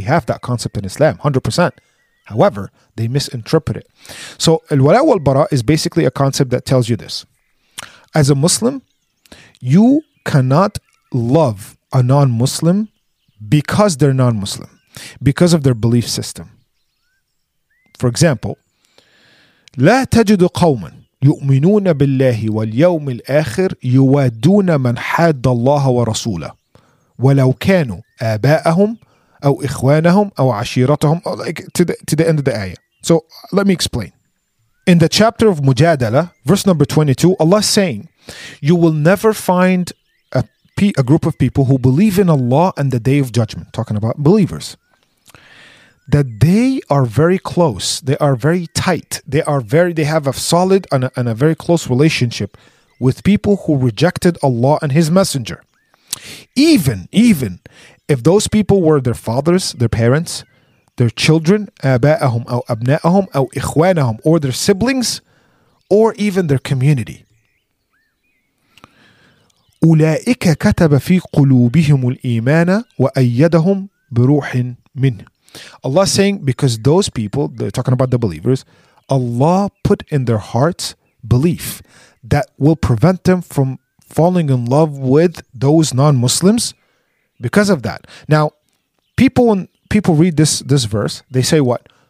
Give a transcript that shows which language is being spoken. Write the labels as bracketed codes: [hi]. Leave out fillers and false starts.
[en] We have that concept in Islam, 100%. However, they misinterpret it. So, al-wala wal bara is basically a concept that tells you this. As a Muslim, you cannot love a non-Muslim because they're non-Muslim, because of their belief system. For example, [ar] لا تجد قوما يؤمنون بالله واليوم الآخر يوادون من حاد الله ورسوله ولو كانوا آباءهم أو إخوانهم أو عشيرتهم. [en] Like to the end of the ayah. So let me explain. In the chapter of Mujadala, verse number 22, Allah is saying, you will never find a group of people who believe in Allah and the Day of Judgment, talking about believers, that they are very close, they are very tight, they have a solid and a very close relationship with people who rejected Allah and His Messenger. Even if those people were their fathers, their parents, their children, [ar] آباءهم أو أبناءهم أو إخوانهم, [en] or their siblings, or even their community. [ar] أولئك كتب في قلوبهم الإيمان وأيدهم بروح منه. [en] Allah is saying, because those people, they're talking about the believers, Allah put in their hearts belief that will prevent them from falling in love with those non-Muslims because of that. Now, when people read this verse, they say what?